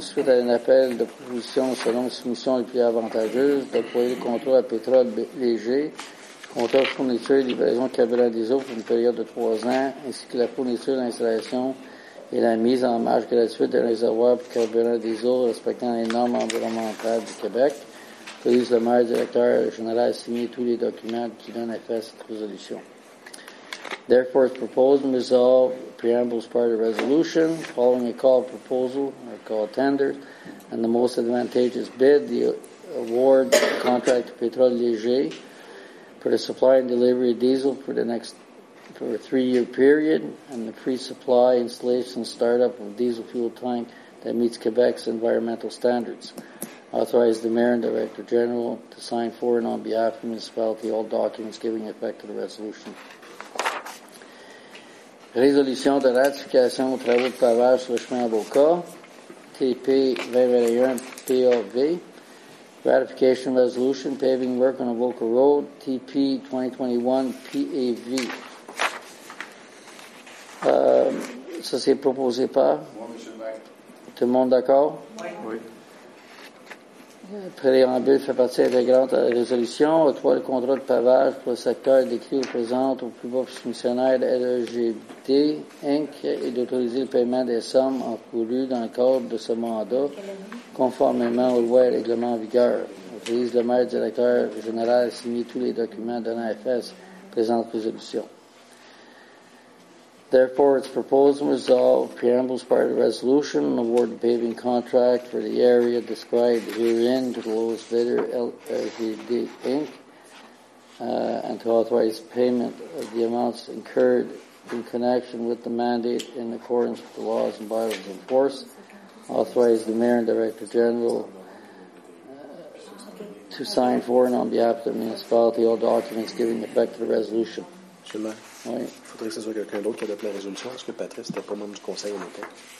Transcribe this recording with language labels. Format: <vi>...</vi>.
<fr>Suite à un appel de proposition selon la soumission les plus avantageuses, déployer le contrat à pétrole léger, contrat de fourniture et livraison de carburant des eaux pour une période de 3 ans, ainsi que la fourniture, l'installation et la mise en marche gratuite des réservoirs pour carburant des eaux respectant les normes environnementales du Québec. Autorise le maire directeur général à signer tous les documents qui donnent effet à cette résolution.</fr> <en>Therefore, it's proposed and resolved, preamble is part of the resolution, following a call proposal, or call tender, and the most advantageous bid, the award contract to Pétrole Léger for the supply and delivery of diesel for the next, for a 3-year period, and the free supply, installation, startup of diesel fuel tank that meets Quebec's environmental standards. Authorize the mayor and director general to sign for and on behalf of the municipality all documents giving effect to the resolution.</en> <fr>Résolution de ratification aux travaux de pavage sur le chemin Avocat, TP 2021 POV.</fr> <en>Ratification resolution, paving work on Avoca Road, TP 2021 PAV.</en> <fr>Ça, c'est proposé par? Moi, M. le maire. Tout le monde d'accord? Oui. Le préambule fait partie intégrante à la résolution. Octroie le contrat de pavage pour le secteur décrit au présent au plus bas soumissionnaire de LEGD Inc. et d'autoriser le paiement des sommes encourues dans le cadre de ce mandat conformément aux lois et règlements en vigueur. Autorise le maire directeur général à signer tous les documents donnant effet à la présente résolution.</fr> <en>Therefore, it's proposed and resolved, preamble is part of the resolution, award the paving contract for the area described herein to the lowest bidder, LRVD Inc., and to authorize payment of the amounts incurred in connection with the mandate in accordance with the laws and bylaws in force. Authorize the Mayor and Director General to sign for and on behalf of the municipality all documents giving effect to the resolution.</en> <fr>Oui. Il faudrait que ce soit quelqu'un d'autre qui adopte la résolution. Est-ce que Patrice n'était pas membre du conseil à l'époque?</fr>